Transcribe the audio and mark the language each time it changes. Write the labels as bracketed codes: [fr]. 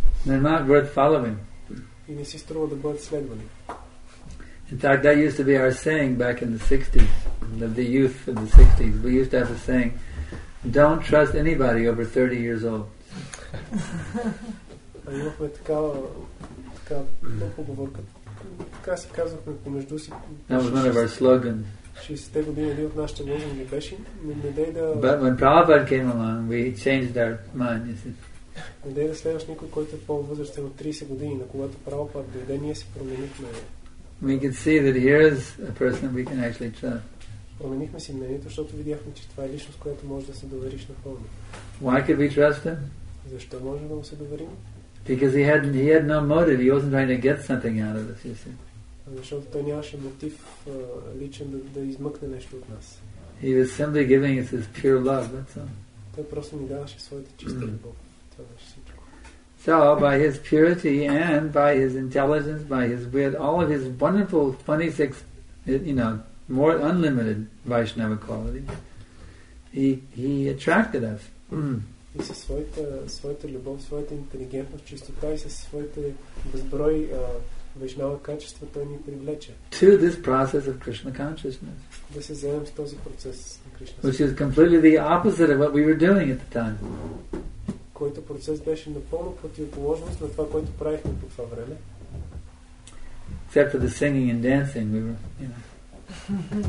[en] They're not worth following. In fact, that used to be our saying back in the 60s, the youth of the 60s. We used to have a saying, don't trust anybody over 30 years old. That was one of our slogans. [bg] 60-те години един от нашите лозунги беше [en] But when Prabhupada came along, we changed our mind, you see. [bg] Не дей да следваш никой, който е по-възрастен от 30 години, на когато Прабхупад дойде, ние си променихме. [en] We can see that here is a person we can actually trust. [bg] Променихме си мнението, защото видяхме, че това е личност, която може да се довериш на пълно. [en] Why could we trust him? [bg] Защо можем да му се доверим? [en] Because he had no motive. He wasn't trying to get something out of us, you see. [bg] Защото той нямаше мотив личен да измъкне нещо от нас. [en] He was simply giving us his pure love, that's all. [bg] Той просто ни даваше своята чиста любов. [en] So by his purity and by his intelligence, by his wit, all of his wonderful 26, you know, more unlimited Vaishnava qualities, he attracted us. [bg] И със своята любов, своята интелигентност, чистота и със своите безброй Вайшнава качества, той ни привлече. [en] To this process of Krishna consciousness. [bg] Да се заемем с този процес на Кришна. [en] Which is completely the opposite of what we were doing at the time. [bg] Който процес беше напълно противоположност на това, което правихме по това време. [en] Except for the singing and dancing, we were, you know.